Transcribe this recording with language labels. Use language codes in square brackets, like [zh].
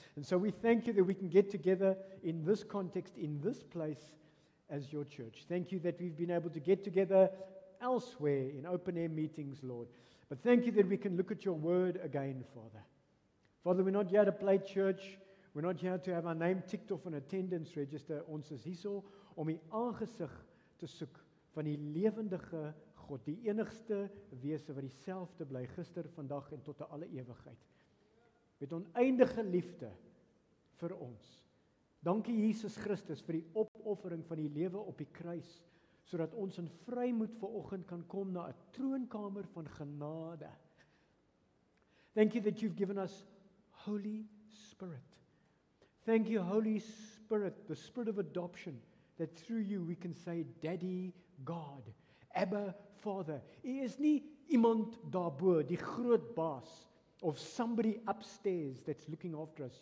[en] And so we thank you that we can get together in this context, in this place, as your church. Thank you that we've been able to get together elsewhere in open-air meetings, Lord. But thank you that we can look at your word again, Father. Father, we're not here to play church. We're not here to have our name ticked off an attendance register. [af] Ons is hierso om die aangesig te soek van die lewendige God, die enigste wese wat dieselfde bly gister, vandag en tot alle ewigheid. Met oneindige liefde vir ons. Dankie Jesus Christus vir die opoffering van die lewe op die kruis, sodat ons in vrymoed vanoggend kan kom na 'n troonkamer van genade. [en] Thank you that you've given us Holy Spirit. Thank you, Holy Spirit, the Spirit of adoption, that through you we can say, Daddy God, Abba Father. [af] He is nie iemand daarbo, die groot baas, of somebody upstairs that's looking after us.